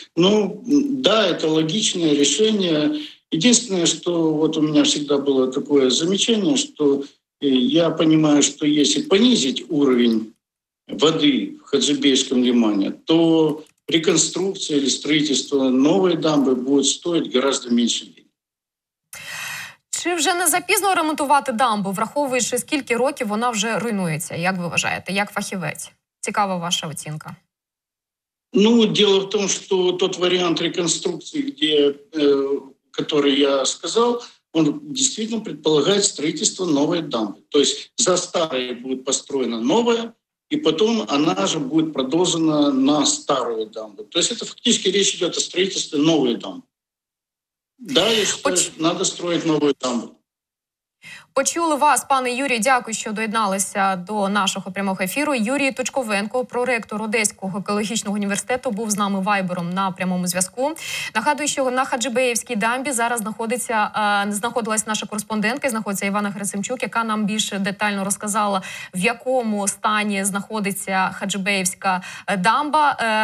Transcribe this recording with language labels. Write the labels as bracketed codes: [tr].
[ru] Ну, да, это логичное решение. Единственное, что вот у меня всегда было такое замечание, что я понимаю, что если понизить уровень воды в Хаджибейском лимане, то реконструкция или строительство новой дамбы будет стоить гораздо меньше денег. [uk] Чи вже не запізно ремонтувати дамбу, враховуючи, скільки років вона вже руйнується? Як ви вважаєте, як фахівець? Цікава ваша оцінка. [ru] Ну, дело в том, что тот вариант реконструкции, где, который я сказал, он действительно предполагает строительство новой дамбы. То есть за старое будет построена новая, и потом она же будет продолжена на старую дамбу. То есть это фактически речь идет о строительстве новой дамбы. Да, я считаю, что надо строить новую дамбу. [uk] Почули вас, пане Юрій, дякую, що доєдналися до нашого прямого ефіру. Юрій Тучковенко, проректор Одеського екологічного університету, був з нами вайбером на прямому зв'язку. Нагадую, що на Хаджибеївській дамбі зараз знаходилася наша кореспондентка, знаходиться Івана Герасимчук, яка нам більш детально розказала, в якому стані знаходиться Хаджибеївська дамба.